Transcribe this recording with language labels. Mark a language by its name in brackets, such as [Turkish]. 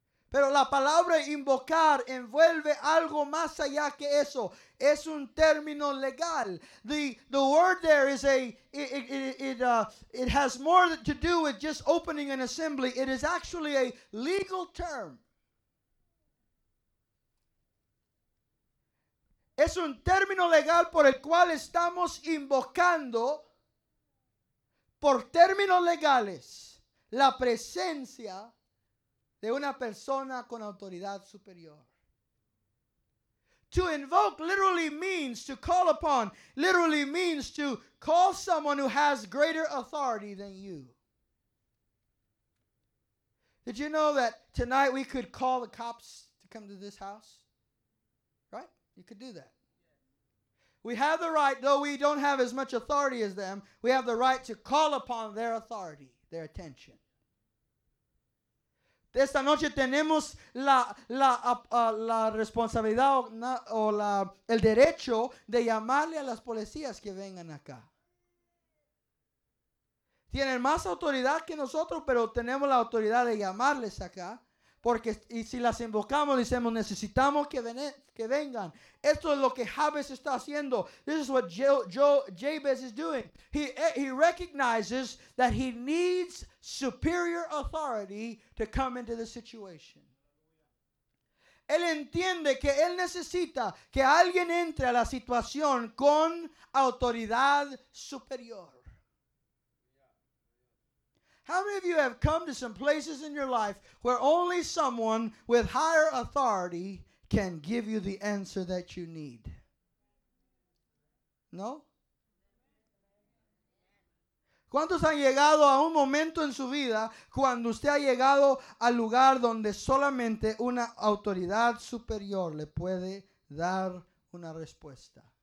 [Spanish] Pero la palabra invocar envuelve algo más allá que eso. Es un término legal. [English] The word there is it has more to do with just opening an assembly. It is actually a legal term. [Spanish] Es un término legal por el cual estamos invocando, por términos legales, la presencia de una persona con autoridad superior. [English] To invoke literally means to call upon, literally means to call someone who has greater authority than you. Did you know that tonight we could call the cops to come to this house? Right? You could do that. We have the right, though we don't have as much authority as them, we have the right to call upon their authority, their attention. [Spanish] Esta noche tenemos la responsabilidad el derecho de llamarle a las policías que vengan acá. Tienen más autoridad que nosotros, pero tenemos la autoridad de llamarles acá. Porque y si las invocamos, decimos, necesitamos que vengan. Esto es lo que Jabez está haciendo. [English] This is what Jabez is doing. He recognizes that he needs superior authority to come into the situation. [Spanish] Él entiende que él necesita que alguien entre a la situación con autoridad superior. [English] How many of you have come to some places in your life where only someone with higher authority can give you the answer that you need? No? [Spanish] ¿Cuántos han llegado a un momento en su vida cuando usted ha llegado al lugar donde solamente una autoridad superior le puede dar una respuesta?